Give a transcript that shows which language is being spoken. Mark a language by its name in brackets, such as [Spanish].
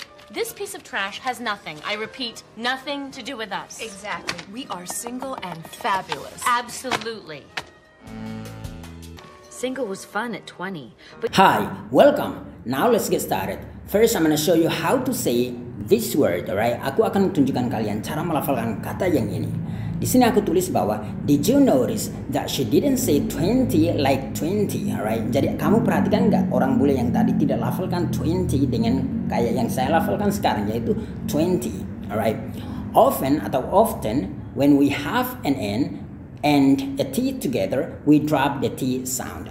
[English] This piece of trash has nothing, I repeat, nothing to do with us. Exactly. We are single and fabulous. Absolutely. Single was fun at 20, but... Hi, welcome. Now let's get started. First, I'm gonna show you how to say this word, alright? [Indonesian] Aku akan tunjukkan kalian cara melafalkan kata yang ini. Di sini aku tulis bahwa, [English] did you notice that she didn't say 20 like 20, alright? [Indonesian] Jadi, kamu perhatikan nggak orang bule yang tadi tidak lafalkan 20 dengan kayak yang saya lafalkan sekarang, yaitu 20, alright? [English] Often atau often, when we have an N and a T together, we drop the T sound.